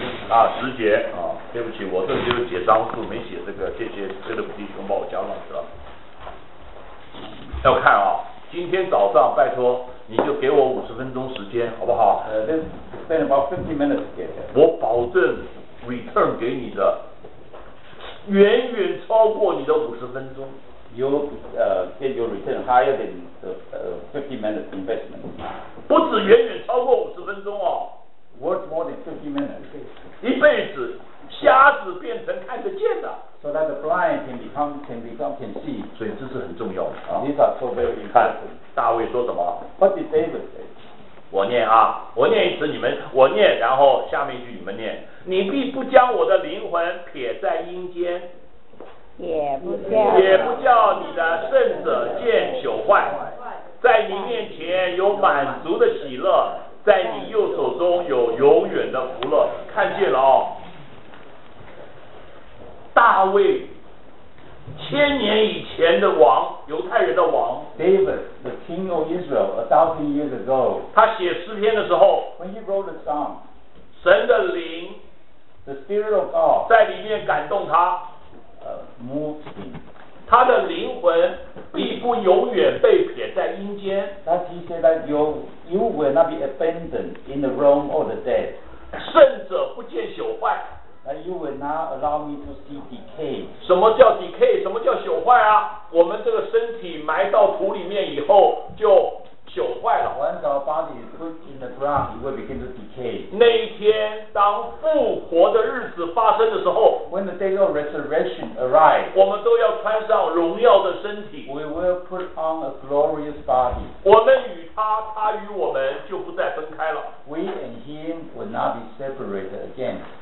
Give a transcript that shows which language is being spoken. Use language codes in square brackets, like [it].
[zh] 啊，十节啊，对不起，我这就是写章数，没写这个，谢谢这个弟兄把我讲上去了。要看啊，今天早上拜托你就给我五十分钟时间，好不好？ [en] Let's spend about 15 minutes together. [zh] 我保证 return 给你的。远远超过你的五十分钟。 [en] You get your return higher than the 50 minutes investment. [zh] 不止远远超过五十分钟哦。 [en] Worth more than 50 minutes. [zh] 一辈子，瞎子变成看得见的。 [en] So that the blind can become can see. [zh] 所以这是很重要的。 [en] These are so very important. [zh] 看大卫说什么 [en] ？What did David say? [zh] 我念啊，我念一次，你们我念，然后下面一句你们念。你必不将我的灵魂撇在阴间，也不叫你的圣者见朽坏。在你面前有满足的喜乐，在你右手中有永远的福乐。看见了哦，大卫，千年以前的王，犹太人的王 [en] ，David, the king of Israel, 1,000 years ago. [zh] 他写诗篇的时候 [en] ，When he wrote the psalm, [zh] 神的灵。 [en] The spirit of God [zh] 在里面感动他 [en] moves him. [zh] 他的灵魂必不永远被撇在阴间。 [en] That he said that you will not be abandoned in the realm of the dead. [zh] 圣者不见朽坏。 [en] That you will not allow me to see decay. [zh] 什么叫 decay? 什么叫朽坏啊？我们这个身体埋到土里面以后就朽坏了。 [en] Once our body is put in the ground, it will begin to decay. [zh] 那一天当复活的日子发生的时候 [en] ，When the day of resurrection arrives, [zh] 我们都要穿上荣耀的身体。 [en] We will put on a glorious body. [zh] 我们与他，他与我们就不再分开了。 [en] We and him will not be separated again.